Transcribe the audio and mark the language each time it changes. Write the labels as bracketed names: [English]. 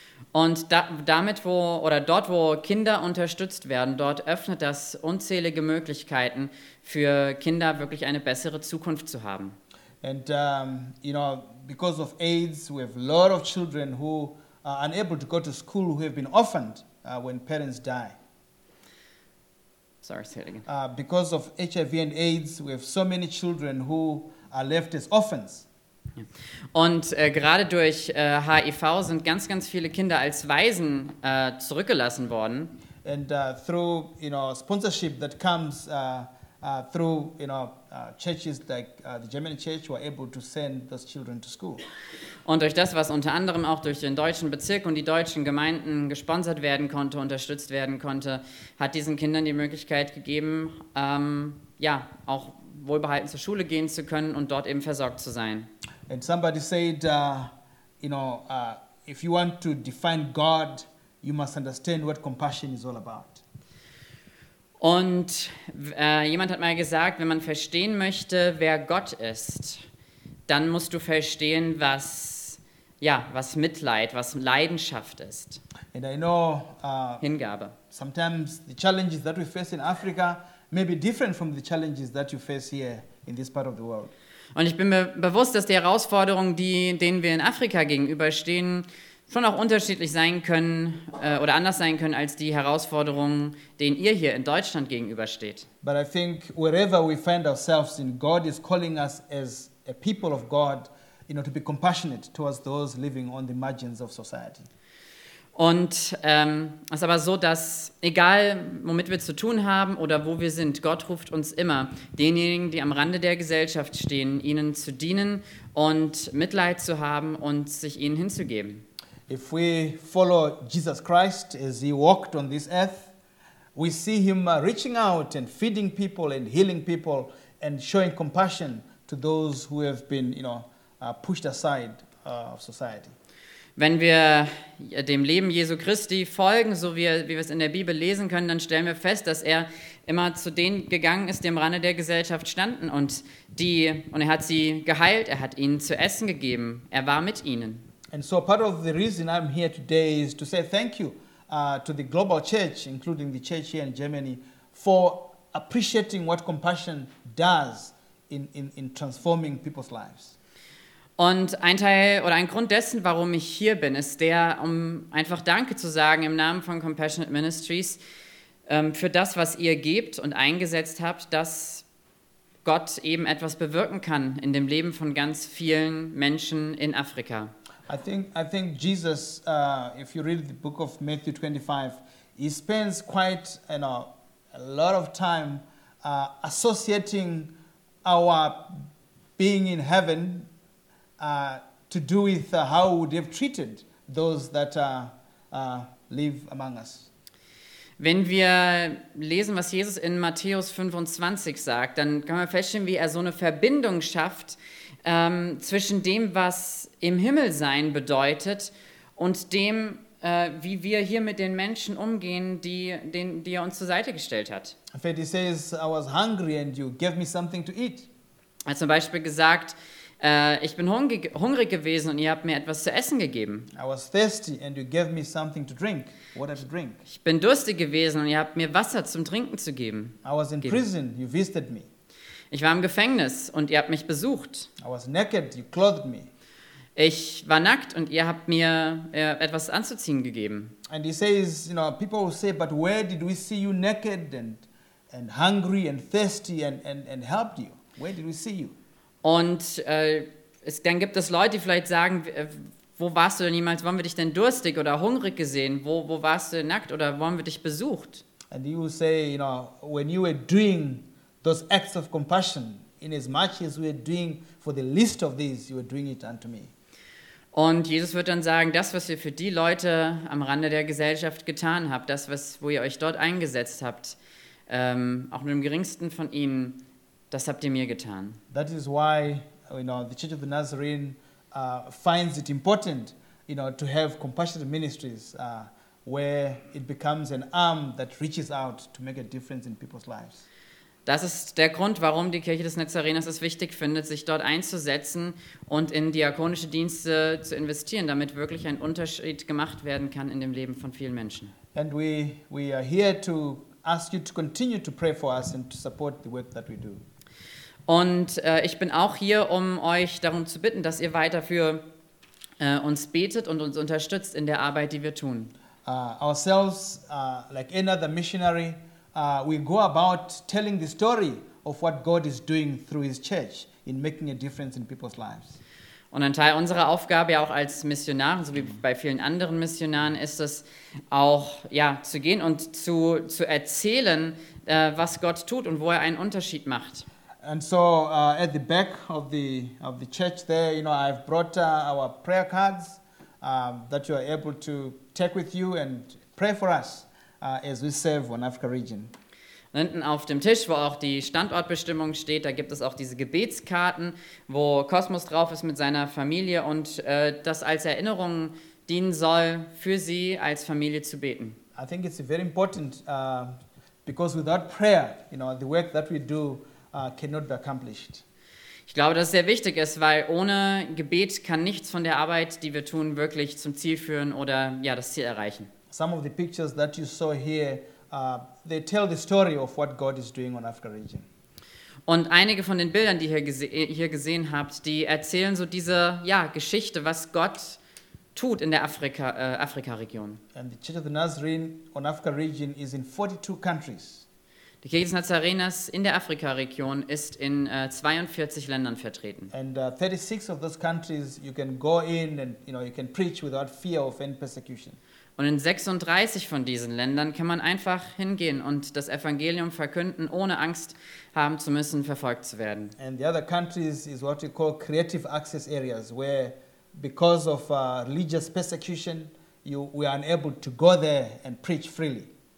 [German] Und dort, wo Kinder unterstützt werden, dort öffnet das unzählige Möglichkeiten für Kinder, wirklich eine bessere Zukunft zu haben. [English] And because of AIDS, we have a lot of children who are unable to go to school, who have been orphaned when parents die. Sorry, say it again. Because of HIV and AIDS, we have so many children who are left as orphans. [German] Und gerade durch HIV sind ganz, ganz viele Kinder als Waisen zurückgelassen worden. [English] And through sponsorship that comes through churches like the German Church were able to send those children to school. [German] Und durch das, was unter anderem auch durch den deutschen Bezirk und die deutschen Gemeinden gesponsert werden konnte, unterstützt werden konnte, hat diesen Kindern die Möglichkeit gegeben, auch wohlbehalten zur Schule gehen zu können und dort eben versorgt zu sein. [English] And somebody said, if you want to define God, you must understand what compassion is all about. [German] Und jemand hat mal gesagt, wenn man verstehen möchte, wer Gott ist, dann musst du verstehen, was Mitleid, was Leidenschaft ist. [English] And I know, [German] Hingabe. [English] Sometimes the challenges that we face in Africa may be different from the challenges that you face here in this part of the world. [German] Und ich bin mir bewusst, dass die Herausforderungen, denen wir in Afrika gegenüberstehen, schon auch unterschiedlich sein können oder anders sein können als die Herausforderungen, denen ihr hier in Deutschland gegenübersteht. [English] But I think wherever we find ourselves in, God is calling us as a people of God, to be compassionate towards those living on the margins of society. [German] Und es ist aber so, dass egal, womit wir zu tun haben oder wo wir sind, Gott ruft uns immer, denjenigen, die am Rande der Gesellschaft stehen, ihnen zu dienen und Mitleid zu haben und sich ihnen hinzugeben. [English] If we follow Jesus Christ as he walked on this earth, we see him reaching out and feeding people and healing people and showing compassion to those who have been, pushed aside of society. [German] Wenn wir dem Leben Jesu Christi folgen, so wie wir es in der Bibel lesen können, dann stellen wir fest, dass er immer zu denen gegangen ist, die am Rande der Gesellschaft standen. Und er hat sie geheilt, er hat ihnen zu essen gegeben, er war mit ihnen. [English] And so part of the reason I'm here today is to say thank you to the global church, including the church here in Germany, for appreciating what compassion does in transforming people's lives. [German] Und ein Teil oder ein Grund dessen, warum ich hier bin, ist der, um einfach Danke zu sagen im Namen von Compassionate Ministries für das, was ihr gebt und eingesetzt habt, dass Gott eben etwas bewirken kann in dem Leben von ganz vielen Menschen in Afrika. [English] I think Jesus, if you read the book of Matthew 25, he spends quite a lot of time associating our being in heaven to do with how we would have treated those that live among us. [German] Wenn wir lesen, was Jesus in Matthäus 25 sagt, dann kann man feststellen, wie er so eine Verbindung schafft zwischen dem, was im Himmel sein bedeutet und dem, wie wir hier mit den Menschen umgehen, die er uns zur Seite gestellt hat. [English] In fact, he says, I was hungry and you gave me something to eat. [German] Er hat zum Beispiel gesagt, Ich bin hungrig gewesen und ihr habt mir etwas zu essen gegeben. [English] I was thirsty and you gave me something to drink. Water to drink. [German] Ich bin durstig gewesen und ihr habt mir Wasser zum Trinken zu geben. [English] I was in prison. You visited me. [German] Ich war im Gefängnis und ihr habt mich besucht. [English] I was naked. You clothed me. [German] Ich war nackt und ihr habt mir etwas anzuziehen gegeben. [English] And he says, you know, people will say, but where did we see you naked and hungry and thirsty and helped you? Where did we see you? [German] Und dann gibt es Leute, die vielleicht sagen, wo warst du denn jemals, wann wir dich denn durstig oder hungrig gesehen? Wo warst du nackt oder wo haben wir dich besucht? [English] And he will say, you know, when you were doing those acts of compassion, in as much as we are doing for the least of these, you are doing it unto me. [German] Und Jesus wird dann sagen, das, was ihr für die Leute am Rande der Gesellschaft getan habt, das, was, wo ihr euch dort eingesetzt habt, auch mit dem geringsten von ihnen, das habt ihr mir getan. [English] That is why, you know, the Church of the Nazarene finds it important, you know, to have compassionate ministries where it becomes an arm that reaches out to make a difference in people's lives. [German] Das ist der Grund, warum die Kirche des Nazareners es wichtig findet, sich dort einzusetzen und in diakonische Dienste zu investieren, damit wirklich ein Unterschied gemacht werden kann in dem Leben von vielen Menschen. [English] And we are here to ask you to continue to pray for us and to support the work that we do. [German] Und ich bin auch hier, um euch darum zu bitten, dass ihr weiter für uns betet und uns unterstützt in der Arbeit, die wir tun. [English] Ourselves, like any other missionary, we go about telling the story of what God is doing through His church in making a difference in people's lives. [German] Und ein Teil unserer Aufgabe ja auch als Missionaren, so wie bei vielen anderen Missionaren, ist es auch ja zu gehen und zu erzählen, was Gott tut und wo er einen Unterschied macht. [English] And so at the back of the church there, you know, I've brought our prayer cards that you are able to take with you and pray for us. As we serve one Africa region. [German] Und hinten auf dem Tisch, wo auch die Standortbestimmung steht, da gibt es auch diese Gebetskarten, wo Cosmos drauf ist mit seiner Familie und das als Erinnerung dienen soll, für sie als Familie zu beten. [English] I think it's very important because without prayer, you know, the work that we do cannot be accomplished. [German] Ich glaube, dass es sehr wichtig ist, weil ohne Gebet kann nichts von der Arbeit, die wir tun, wirklich zum Ziel führen oder ja, das Ziel erreichen. [English] Some of the pictures that you saw here, they tell the story of what God is doing on Africa region. [German] Und einige von den Bildern, die ihr hier gesehen habt, die erzählen so diese ja, Geschichte, was Gott tut in der Afrika-Region. [English] And the Church of the Nazarene on Africa region is in 42 countries. [German] Die Kirche des Nazareners in der Afrika-Region ist in 42 Ländern vertreten. [English] And 36 of those countries you can go in and you know you can preach without fear of any persecution. [German] Und in 36 von diesen Ländern kann man einfach hingehen und das Evangelium verkünden, ohne Angst haben zu müssen, verfolgt zu werden. [English] And the other countries is what we call creative access areas, where because of religious persecution, we are unable to go there and preach freely.